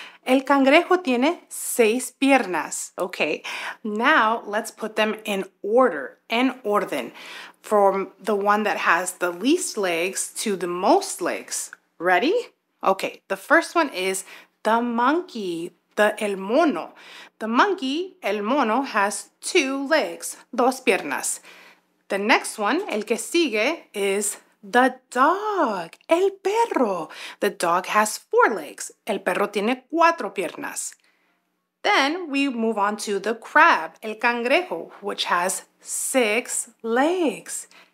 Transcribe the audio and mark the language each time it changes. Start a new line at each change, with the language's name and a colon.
Spanish: El cangrejo tiene 6 piernas.
English: Okay, now let's put them in order,
Spanish: en orden,
English: from the one that has the least legs to the most legs. Ready? Okay, the first one is the monkey. The monkey,
Spanish: el mono,
English: has 2 legs,
Spanish: 2 piernas.
English: The next one,
Spanish: el que sigue,
English: is the dog,
Spanish: el perro.
English: The dog has 4 legs,
Spanish: el perro tiene 4 piernas.
English: Then we move on to the crab,
Spanish: el cangrejo,
English: which has 6 legs.